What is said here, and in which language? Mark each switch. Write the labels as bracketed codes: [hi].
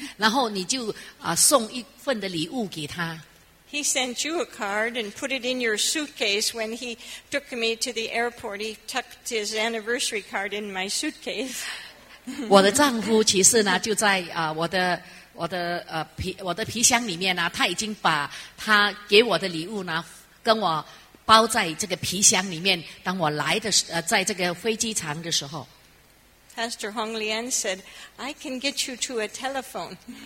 [zh] 然后你就送一份的礼物给他。 [en] He sent you a card and put it in your suitcase when he took me to the airport. He tucked his anniversary card in my suitcase. [zh] 我的丈夫其实呢，就在我的皮箱里面呢，他已经把他给我的礼物呢，跟我包在这个皮箱里面。当我来的在这个飞机场的时候 [en] ，Pastor Hong Lian said, "I can get you to a telephone."